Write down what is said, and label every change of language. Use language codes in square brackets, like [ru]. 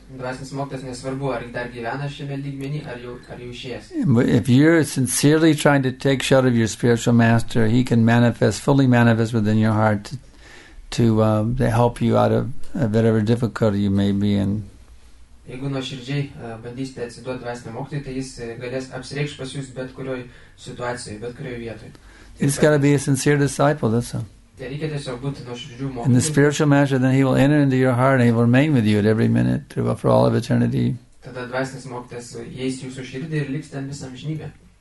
[en] If you're sincerely trying to take shelter of your spiritual master, he can manifest, fully manifest within your heart to help you out of whatever difficulty you may be in. [lt] Jeigu nuoširdžiai bandysite atsiduoti dvasiniam mokytojui, tai jis galės apsireikš pas jūs bet kurioj situacijoje, bet kurioj vietoj. [en] It's got to be a sincere disciple, that's all. [lt] Tai reikia tiesiog būti nuoširdžių mokytojų. [en] In the spiritual master, then he will enter into your heart and he will remain with you at every minute throughout for all of eternity. [lt] Tada dvasinis mokytas įeis jūsų širdį ir liks ten visą amžinybę.